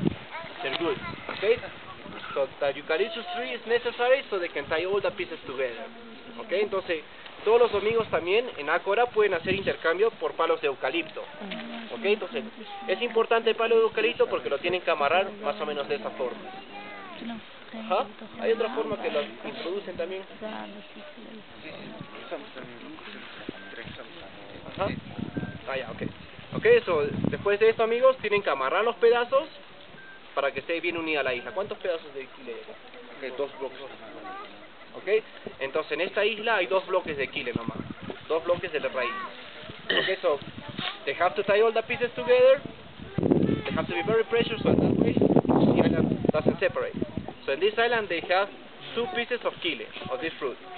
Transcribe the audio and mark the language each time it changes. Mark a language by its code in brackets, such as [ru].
[en] They're good, okay? So the eucalyptus tree is necessary so they can tie all the pieces together. [es] Okay, entonces, todos los domingos también en Acora pueden hacer intercambio por palos de eucalipto. Ok, entonces es importante el palo de eucalipto porque lo tienen que amarrar más o menos de esa forma. ¿Ah? ¿Hay otra forma que lo introducen también? Ajá. Ah, ya, ok. Ok, eso. Después de esto, amigos, tienen que amarrar los pedazos para que esté bien unida la isla. ¿Cuántos pedazos de Kile? Ok, dos bloques. Ok, entonces en esta isla hay dos bloques de Kile nomás. Dos bloques de la raíz. [en] Ok, so they have to tie all the pieces together. They have to be very precious, so that way the island doesn't separate. So in this island they have two pieces of Kile, of this fruit.